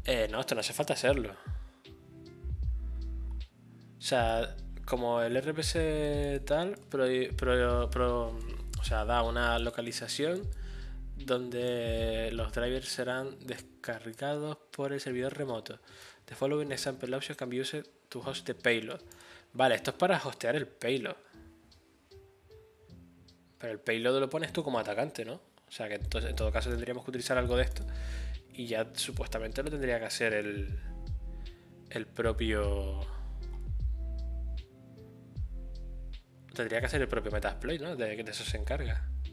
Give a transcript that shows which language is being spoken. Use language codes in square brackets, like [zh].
[es] No, esto no hace falta hacerlo. Sea, como el RPC tal, o sea, da una localización donde los drivers serán descargados por el servidor remoto. [en] The following example option can be used to host the payload. [es] Vale, esto es para hostear el payload. Pero el payload lo pones tú como atacante, ¿no? O sea que entonces, en todo caso tendríamos que utilizar algo de esto. Y ya supuestamente lo tendría que hacer el propio. Tendría que hacer el propio Metasploit, ¿no? De eso se encarga.